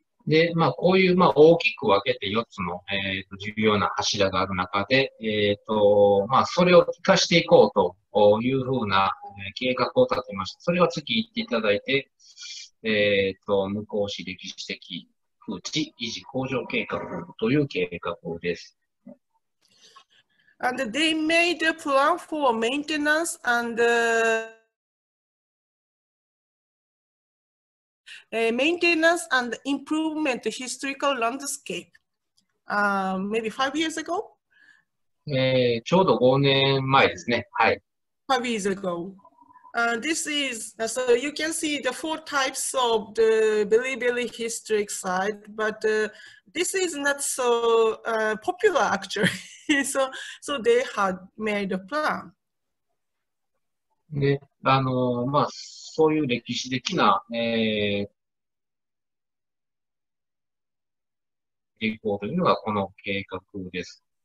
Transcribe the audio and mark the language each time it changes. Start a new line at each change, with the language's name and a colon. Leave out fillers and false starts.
Japanese: で、まあ、こういう、まあ、大きく分けて4つの、重要な柱がある中で、まあ、それを活かしていこうというふうな計画を立てました。それは次行っていただいて、向こう市歴史的風致維持向上計画という計画です。
English: And they made a plan for maintenance and maintenance and improvement historical landscape. Maybe 5 years ago?
Japanese: ちょうど5年前ですね。はい。
English: 5 years ago. This is, so you can see the four types of the Bilibili historic site, but this is not so popular actually. so they had made a plan.
Japanese: で、まあ、そういう歴史的な、行こうというのがこの計画です。